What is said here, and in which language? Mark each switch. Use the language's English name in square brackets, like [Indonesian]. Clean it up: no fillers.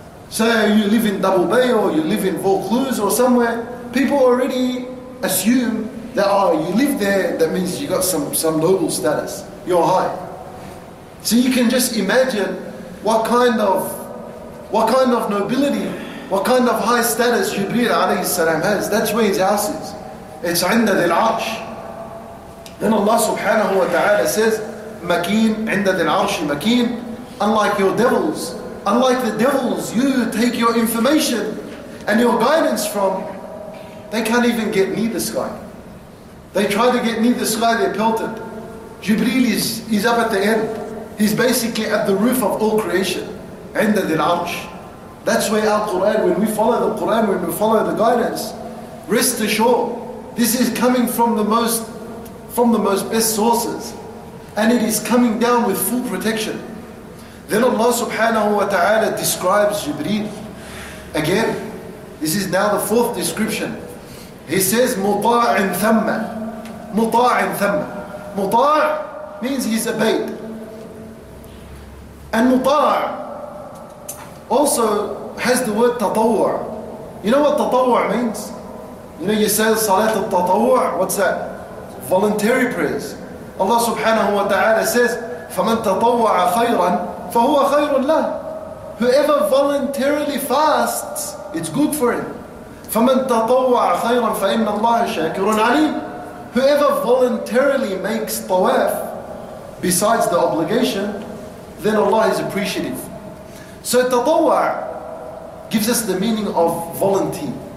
[English] So you live in Double Bay, or you live in Vaucluse, or somewhere, people already assume that, oh, you live there, that means you got some noble status, you're high. So you can just imagine what kind of nobility, what kind of high status Jibreel alayhi salam has. That's where his house is. It's [Arabic] عند ذي العرش. [English] Then Allah subhanahu wa ta'ala says, [Arabic] مكين عند ذي العرش مكين. [English] Unlike your devils, unlike the devils you take your information and your guidance from, they can't even get near the sky. They try to get near the sky, they're pelted. Jibreel is up at the end. He's basically at the roof of all creation. [Arabic] عند ذي العرش. [English] That's where our Qur'an, when we follow the Qur'an, when we follow the guidance, rest assured, this is coming from the most best sources. And it is coming down with full protection. Then Allah subhanahu wa ta'ala describes Jibreel. Again, this is now the fourth description. He says, [Arabic] مُطَاعٍ ثَمَّ. مُطَاعٍ ثَمَّ. [English] مُطَاعٍ means he's obeyed. And مُطَاعٍ also has the word تطوع. You know what تطوع means? You know, you say [Arabic] صلاة التطوع, [English] what's that? Voluntary prayers. Allah subhanahu wa ta'ala says, [Arabic] فَمَن تَطَوَّعَ خَيْرًا فَهُوَ خَيْرٌ لَهُ. [English] Whoever voluntarily fasts, it's good for him. [Arabic] فَمَن تَطَوَّعَ خَيْرًا فَإِنَّ اللَّهَ شَاكِرٌ عَلِيمٌ. [English] Whoever voluntarily makes tawaf, besides the obligation, then Allah is appreciative. So tatawwa' gives us the meaning of volunteer.